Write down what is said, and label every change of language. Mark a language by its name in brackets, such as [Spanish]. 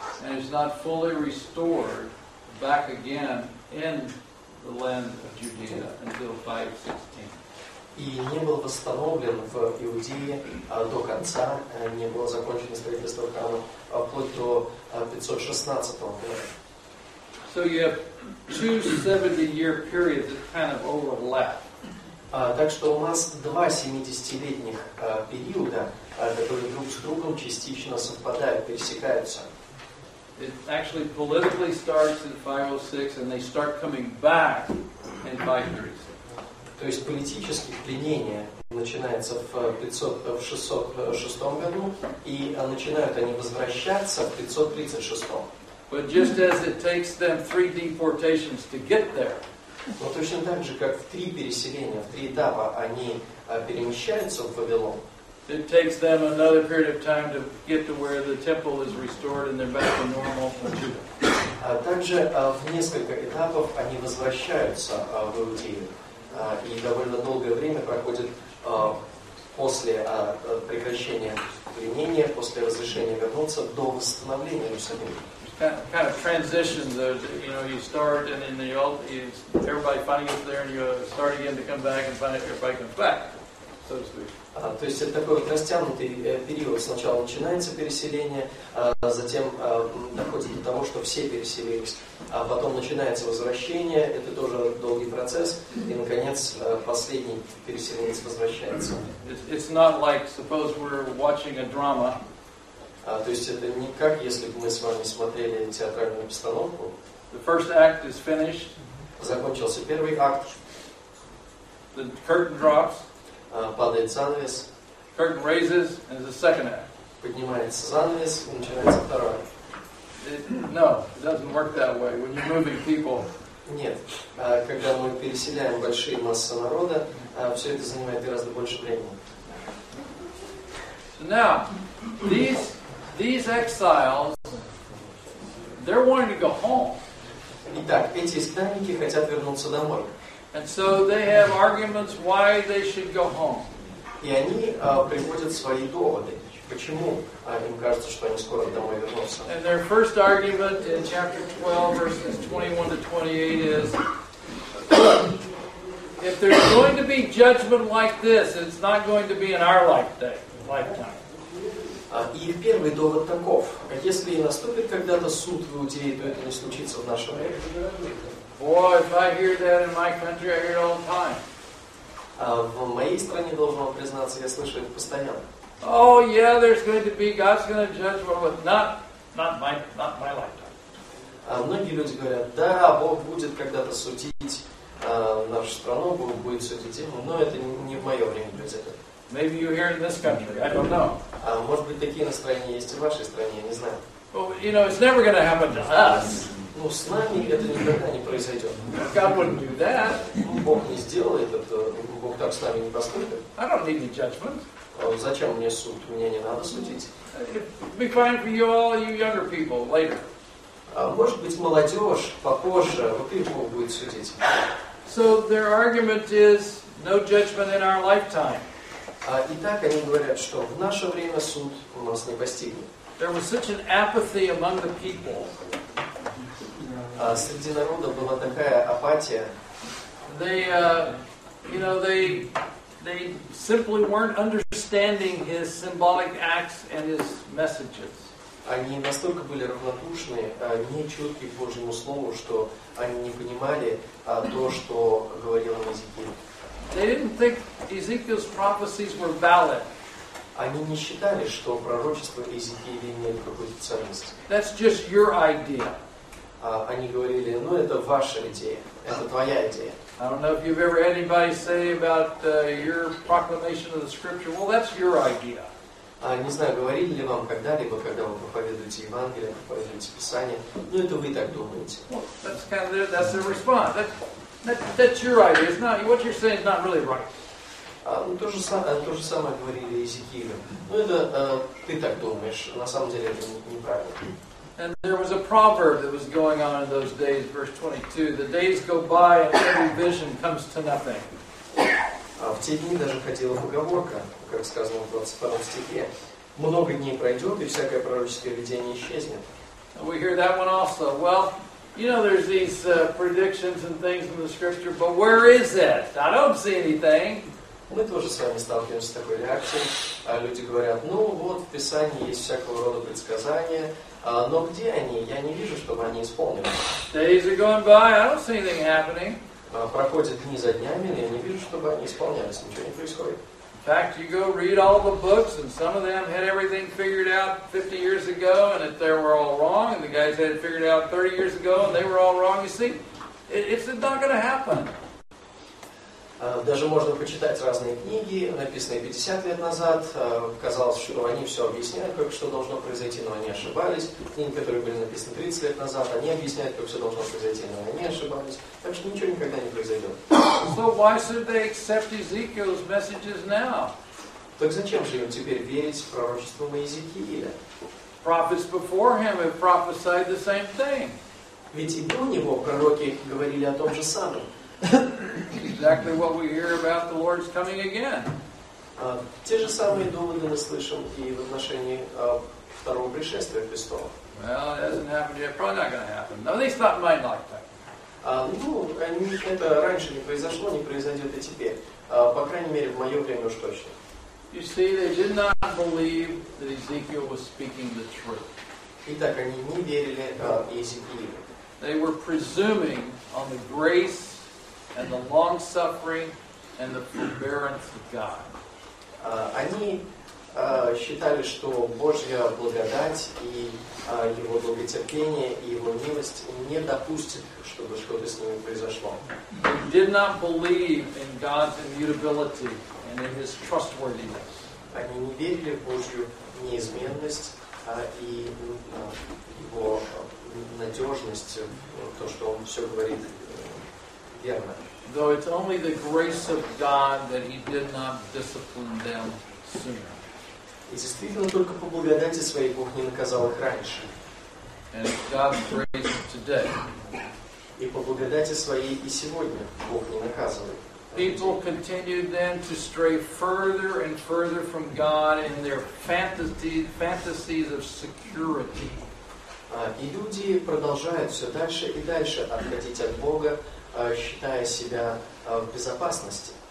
[English] And it's not fully restored back again in the land of Judea until 516. [Russian] И не был восстановлен в Иудее до конца, не было закончено строительство храма вплоть до 516 года. [English] So you have two 70-year periods that kind of overlap. [Russian] Так что у нас два 70-летних периода, которые друг с другом частично совпадают, пересекаются. [English] It actually politically starts in 506, and they start coming back in 536. [Russian] То есть политически пленение начинается в 606 году, и начинают они возвращаться в 536. [English] But just as it takes them three deportations to get there, [Russian] Но точно так же, как в три переселения, в три этапа они перемещаются в Вавилон. [English] It takes them another period of time to get to where the temple is restored and they're back to normal for Judah. [Russian] Также в несколько этапов они возвращаются в Иудею. И довольно долгое время проходит после прекращения пленения, после разрешения вернуться, до восстановления Иерусалима. [English] Kind of transition, you know, you start and then everybody finding it there and you start again to come back and find it, everybody comes back, so to speak. [Russian] То есть это такой вот растянутый период. Сначала начинается переселение, затем доходит до того, что все переселились. А потом начинается возвращение, это тоже долгий процесс. И, наконец, последний переселенец возвращается. [English] It's not like, suppose we're watching a drama. [Russian] То есть это не как, если бы мы с вами смотрели театральную постановку. [English] The first act is finished. [Russian] Закончился первый акт. [English] The curtain drops. [Russian] Падает занавес. [English] Curtain raises, and the second act. [Russian] Поднимается занавес, и начинается второй. [English] No, it doesn't work that way when you're moving people. [Russian] Нет, когда мы переселяем большие массы народа, все это занимает гораздо больше времени. [English] So now, these exiles, they're wanting to go home. [Russian] Итак, эти изгнанники хотят вернуться домой. [English] And so they have arguments why they should go home. [Russian] И они приводят свои доводы, почему им кажется, что они скоро домой вернутся. [English] And their first argument in chapter 12, verses 21 to 28 is, if there's going to be judgment like this, it's not going to be in our lifetime. [Russian] И первый довод таков. Если наступит когда-то суд в Иудее, то это не случится в наше время. [English] Boy, if I hear that in my country, I hear it all the time. [Russian] В моей стране, должен вам признаться, я слышу это постоянно. [English] Oh, yeah, there's going to be, God's going to judge, but not my lifetime. [Russian] Многие люди говорят, да, Бог будет когда-то судить нашу страну, Бог будет судить ему, но это не в мое время будет. [English] Maybe you hear it in this country, I don't know. [Russian] Может быть, такие настроения есть и в вашей стране, я не знаю. [English] Well, you know, it's never going to happen to us. [Russian] Ну, с нами это никогда не произойдет. [English] God wouldn't do that. [Russian] Бог не сделает это. Бог так с нами не поступит. [English] I don't need any judgment. [Russian] Зачем мне суд? Мне не надо судить. [English] It'd be fine for you all, you younger people, later. [Russian] Может быть, молодежь попозже, вот их Бог будет судить. [English] So their argument is no judgment in our lifetime. [Russian] Итак, они говорят, что в наше время суд у нас не постигнет. [English] There was such an apathy among the people. [Russian] Среди народа была такая апатия. [English] They simply weren't understanding his symbolic acts and his messages. [Russian] Они настолько были равнодушны, нечутки к Божьему слову, что они не понимали то, что говорил им Иезекииль. [English] They didn't think Ezekiel's prophecies were valid. [Russian] Они не считали, что пророчества Иезекииля имели какую-то ценность. [English] That's just your idea. [Russian] Они говорили, ну, это ваша идея, это твоя идея. [English] I don't know if you've ever had anybody say about your proclamation of the scripture, well, that's your idea. [Russian] Не знаю, говорили ли вам когда-либо, когда вы проповедуете Евангелие, проповедуете Писание, ну, это вы так думаете. [English] Well, that's kind of that's the response. That's your idea. It's not, what you're saying is not really right. [Russian] То же самое говорили Иезекиилю. Ну, это ты так думаешь, на самом деле это неправильно. [English] And there was a proverb that was going on in those days, verse 22. The days go by and every vision comes to nothing. [Russian] В те дни даже ходила поговорка, как сказано в 22 стихе. Много дней пройдет, и всякое пророческое видение исчезнет. [English] And we hear that one also. Well, you know, there's these predictions and things in the scripture, but where is it? I don't see anything. [Russian] Мы тоже с вами сталкиваемся с такой реакцией. Люди говорят, ну вот, в Писании есть всякого рода предсказания, но где они? Я не вижу, чтобы они исполнились. [English] Days are going by, I don't see anything happening. [Russian] Проходят дни за днями, но я не вижу, чтобы они исполнялись. Ничего не происходит. [English] In fact, you go read all the books, and some of them had everything figured out 50 years ago, and if they were all wrong, and the guys had it figured out 30 years ago, and they were all wrong, you see, it's not going to happen. [Russian] Даже можно почитать разные книги, написанные 50 лет назад. Казалось, что они все объясняют, как что должно произойти, но они ошибались. Книги, которые были написаны 30 лет назад, они объясняют, как все должно произойти, но они ошибались. Так что ничего никогда не произойдет. [English] So why should they accept Ezekiel's messages now? [Russian] Так зачем же им теперь верить в пророчество Моисея? [English] Prophets before him have prophesied the same thing. [Russian] Ведь и до него пророки говорили о том же самом. [English] Exactly what we hear about the Lord's coming again. [Russian] Те же самые доводы мы слышим и в отношении второго пришествия Христова. [English] Well, it hasn't happened yet. Probably not going to happen. At least not in my lifetime. [Russian] Это раньше не произошло, не произойдет и теперь. По крайней мере, в мое время уж точно. [English] You see, they did not believe that Ezekiel was speaking the truth. [Russian] Итак, они не верили Иезекиилу. [English] They were presuming on the grace and the long suffering and the forbearance of God. [Russian] Они считали, что Божья благодать и его долготерпение и его милость не допустят, чтобы что-то с ними произошло. [English] They did not believe in God's immutability and in his trustworthiness. [Russian] Они не верили в Божью неизменность и его надежность, то, что он все говорит верно. [English] Though it's only the grace of God that he did not discipline them sooner. [Russian] И действительно, только по благодати своей Бог не наказал их раньше. [English] And it's God's grace today. [Russian] И по благодати своей и сегодня Бог не наказывает. [English] People continued then to stray further and further from God in their fantasies of security. [Russian] И люди продолжают все дальше и дальше отходить от Бога, считая себя в безопасности.